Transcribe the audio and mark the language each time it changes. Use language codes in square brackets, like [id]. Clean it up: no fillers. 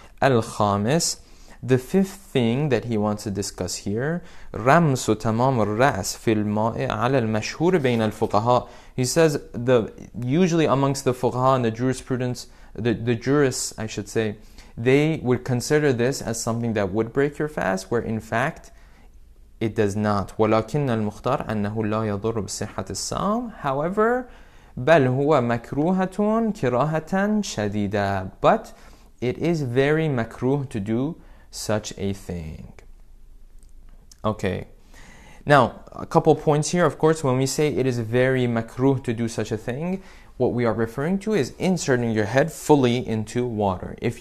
[en] Al-Khamis, the fifth thing that he wants to discuss here, [ar] رَمْسُ تَمَامُ الرَّأْسِ فِي الْمَاءِ عَلَى الْمَشْهُورِ بَيْنَ الْفُقَهَاءِ. [en] He says, usually amongst the fuqaha and the jurisprudence, the jurists, I should say, they would consider this as something that would break your fast, where in fact it does not. [ar] ولكن المختار أنه لا يضر بصحة الصوم. [en] However, [ar] بل هو مكروهة كراهة شديدة. [en] But it is very makruh to do such a thing. Okay. Now, a couple points here. Of course, when we say it is very makruh to do such a thing, what we are referring to is inserting your head fully into water.